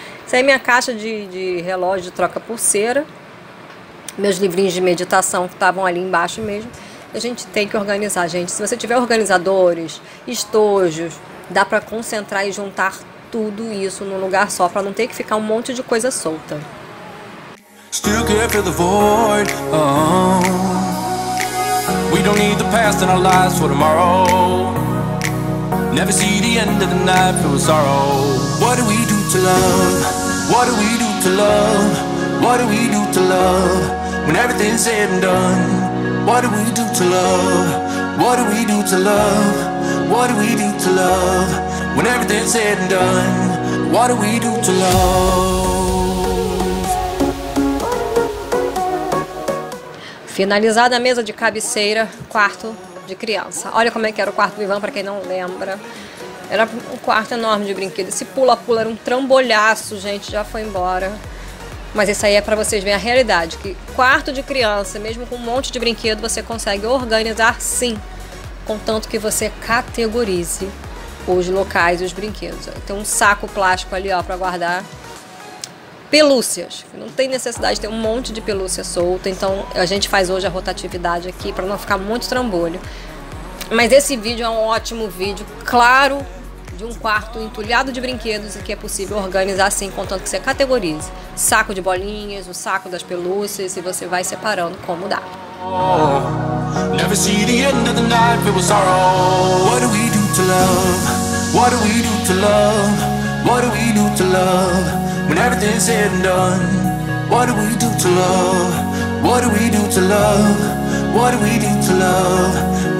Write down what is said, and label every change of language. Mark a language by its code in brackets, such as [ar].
[pt] Essa é minha caixa de relógio de troca pulseira. Meus livrinhos de meditação que estavam ali embaixo mesmo. A gente tem que organizar, gente. Se você tiver organizadores, estojos, dá para concentrar e juntar tudo isso num lugar só, para não ter que ficar um monte de coisa solta. [en] Still care for the void, oh. We don't need the past in our lives for tomorrow. Never see the end of the night for sorrow. What do we do to love? What do we do to love? What do we do to love? When everything's said and done, what do we do to love? What do we do to love? What do we do to love? When everything's said and done, what do we do to love? [pt] Finalizada a mesa de cabeceira, quarto de criança. Olha como é que era o quarto do Ivan, para quem não lembra. Era um quarto enorme de brinquedo. Esse pula-pula era um trambolhaço, gente, já foi embora. Mas isso aí é para vocês verem a realidade, que quarto de criança, mesmo com um monte de brinquedo, você consegue organizar sim, contanto que você categorize os locais e os brinquedos. Tem um saco plástico ali, ó, para guardar pelúcias. Não tem necessidade de ter um monte de pelúcia solta, então a gente faz hoje a rotatividade aqui para não ficar muito trambolho. Mas esse vídeo é um ótimo vídeo, claro, de um quarto entulhado de brinquedos e que é possível organizar assim, contanto que você categorize. Saco de bolinhas, o saco das pelúcias, e você vai separando como dá. [en] Never see the end of the night, feel sorrow. What do we do to love? What do we do to love? What do we do to love? When everything's said and done, what do we do to love? What do we do to love? What do we do to love?